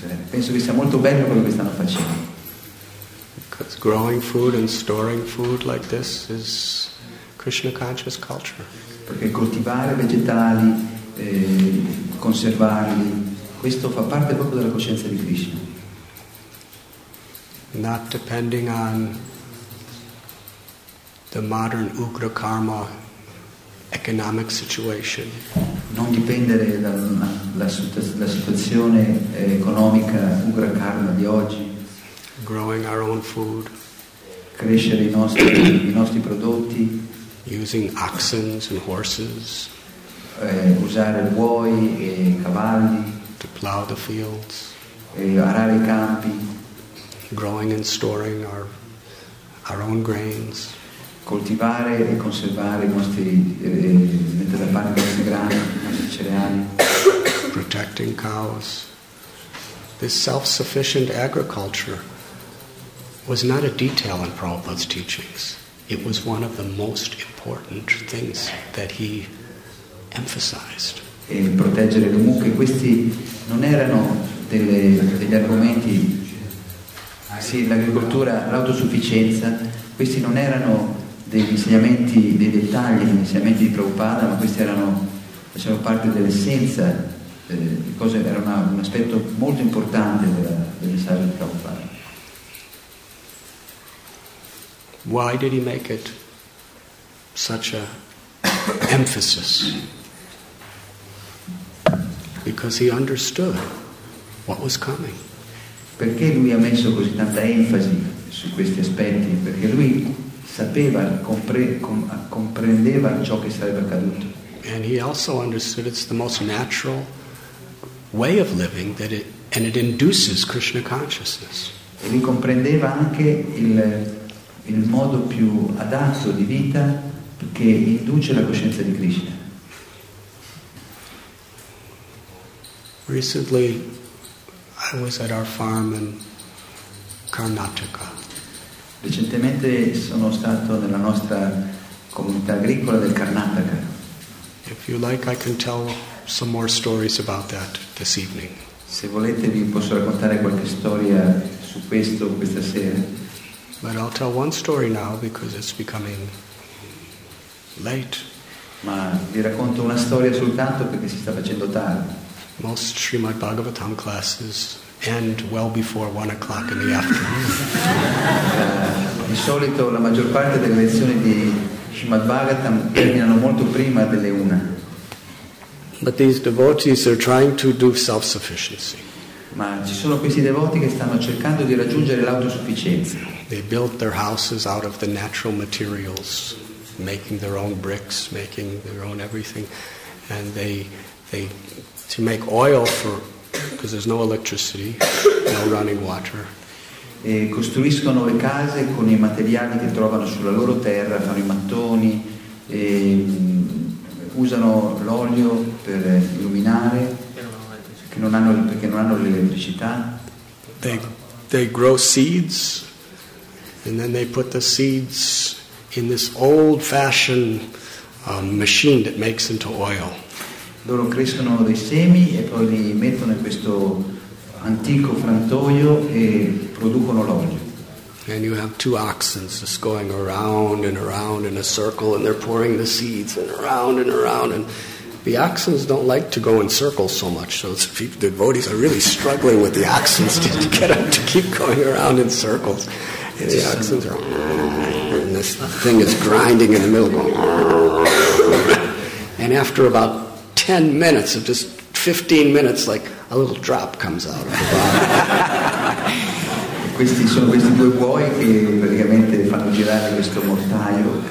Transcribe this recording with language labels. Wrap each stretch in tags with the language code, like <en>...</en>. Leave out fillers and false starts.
<it>Penso che sia molto bello quello che stanno facendo.</it> <en>Because growing food and storing food like this is Krishna conscious culture.</en> <it>Perché coltivare vegetali, conservarli, questo fa parte proprio della coscienza di Krishna.</it> <en>Not depending on the modern ugra karma economic situation.</en> <it>Non dipendere dalla situazione economica ugra karma di oggi.</it> <en>Growing our own food.</en> <it>Crescere i nostri prodotti.</it> <en>Using oxen and horses.</en> <it>Usare buoi e cavalli.</it> <en>To plow the fields,</en> <it>e arare i campi,</it> <en>growing and storing our own grains,</en> <it>coltivare e conservare i nostri mettere da parte i nostri grani, i nostri cereali,</it> <en>protecting cows. This self-sufficient agriculture was not a detail in Prabhupada's teachings. It was one of the most important things that he emphasized.</en> <it>E proteggere le mucche, questi non erano degli argomenti, sì, l'agricoltura, l'autosufficienza, questi non erano degli insegnamenti, dei dettagli, degli insegnamenti di Prabhupada, ma questi erano, facevano parte dell'essenza, cose, era un aspetto molto importante del messaggio di Prabhupada.</it> <en>Why did he make it such a emphasis? Because he understood what was coming.</en> <it>Perché lui ha messo così tanta enfasi su questi aspetti? Perché lui sapeva, comprendeva ciò che sarebbe accaduto.</it> <en>And he also understood it's the most natural way of living that it, and it induces Krishna consciousness.</en> <it>E lui comprendeva anche il modo più adatto di vita che induce la coscienza di Krishna.</it> <en>Recently I was at our farm in Karnataka.</en> <it>Recentemente sono stato nella nostra comunità agricola del Karnataka.</it> <en>If you like, I can tell some more stories about that this evening.</en> <it>Se volete vi posso raccontare qualche storia su questo questa sera.</it> <en>But I'll tell one story now because it's becoming late.</en> <it>Ma vi racconto una storia soltanto perché si sta facendo tardi.</it> <en>Most Srimad Bhagavatam classes end well before 1 o'clock in the afternoon.</en> <it>Di solito la maggior parte delle lezioni di Srimad Bhagavatam terminano molto prima delle una.</it> <en>But these devotees are trying to do self-sufficiency.</en> <it>Ma ci sono questi devoti che stanno cercando di raggiungere l'autosufficienza.</it> <en>They built their houses out of the natural materials, making their own bricks, making their own everything, and they to make oil for, because there's no electricity, no running water.</en> <it>E costruiscono le case con i materiali che trovano sulla loro terra, fanno i mattoni, e usano l'olio per illuminare, perché non hanno l'elettricità.</it> <en>They grow seeds, and then they put the seeds in this old-fashioned machine that makes into oil.</en> <it>Loro crescono dei semi e poi li mettono in questo antico frantoio e producono l'olio.</it> <en>And you have two oxen just going around and around in a circle, and they're pouring the seeds and around and around. And the oxen don't like to go in circles so much, so the devotees are really struggling with the oxen to get them to keep going around in circles. And the oxen are, and this thing is grinding in the middle, going. And after about 10 minutes of just 15 minutes, like a little drop comes out of the bottom.</en> <it>Questi sono questi due buoi che praticamente fanno girare questo mortaio.</it>